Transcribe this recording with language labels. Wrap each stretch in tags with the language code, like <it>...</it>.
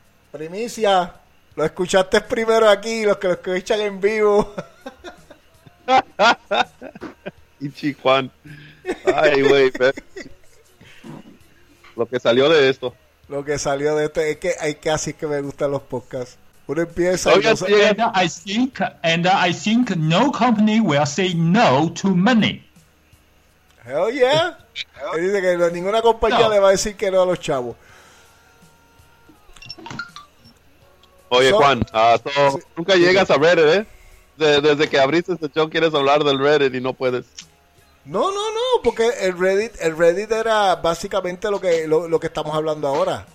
<es>Primicia, lo escuchaste primero aquí, los que lo escuchan en vivo. Ichi Juan. Ay, güey. Lo que salió de esto. Lo que salió de esto es que hay casi que me gustan los podcasts. Uno empieza.</es> <en>I think no company will say no to money. Hell yeah.</en> <es>Dice que ninguna compañía le va a decir que no a los chavos. Oye, Juan, nunca llegas a Reddit, ¿eh? Desde que abriste este show quieres hablar del Reddit y no puedes. No, porque el Reddit era básicamente lo que estamos hablando ahora.</es>